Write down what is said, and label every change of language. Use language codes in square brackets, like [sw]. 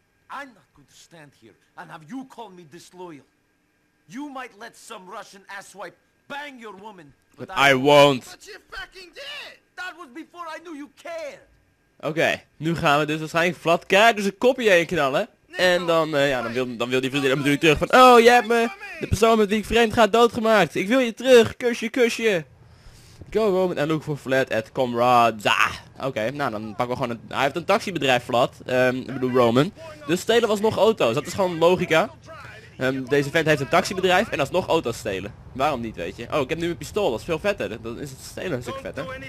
[en] I'm not going to stand here and have you call me disloyal. You might let some Russian asswipe bang your woman, but I won't. But you fucking did! That was before I knew you cared! [nl] Oké, nu gaan we dus waarschijnlijk Vlad keihard dus een kopje heen knallen. En dan, dan wil die vriendin natuurlijk terug van, oh, jij hebt me, de persoon met wie ik vreemd ga, doodgemaakt. Ik wil je terug, kusje, kusje. [en] Go Roman and look for Vlad at Comrades. [nl] Oké, nou dan pakken we gewoon een, hij heeft een taxibedrijf Vlad, ik bedoel Roman. Dus stelen was nog auto's, dat is gewoon logica. Deze vent heeft een taxibedrijf en alsnog auto's stelen. Waarom niet, weet je? Oh, ik heb nu een pistool, dat is veel vetter. Dan is het stelen een stuk vetter.